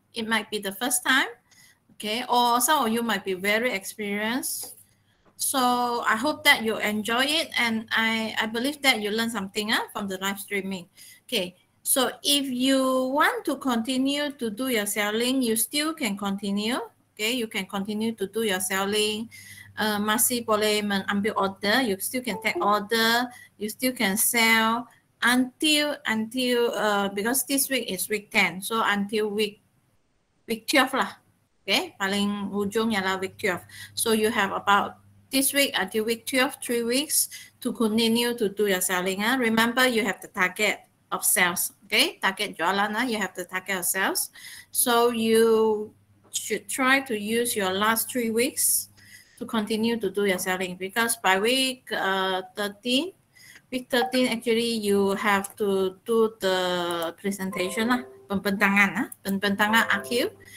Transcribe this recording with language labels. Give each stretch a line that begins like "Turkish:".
English: It might be the first time, okay? Or some of you might be very experienced. So I hope that you enjoy it, and I believe that you learn something, eh, from the live streaming. Okay. So if you want to continue to do your selling, you still can continue. Okay, you can continue to do your selling.
Malay: Masih boleh mengambil order.
English: You still can take order. You still can sell until because this week is week 10. So until week 12 lah.
Malay: Okay, paling hujung ialah week 12.
English: So you have about this week until week 12, 3 weeks to continue to do your selling. Remember, you have the target of sales. Okay,
Malay: target jualan,
English: you have the target of sales. So you should try to use your last 3 weeks to continue to do your selling, because by week 13, actually you have to do the presentation,
Malay: pembentangan akhir.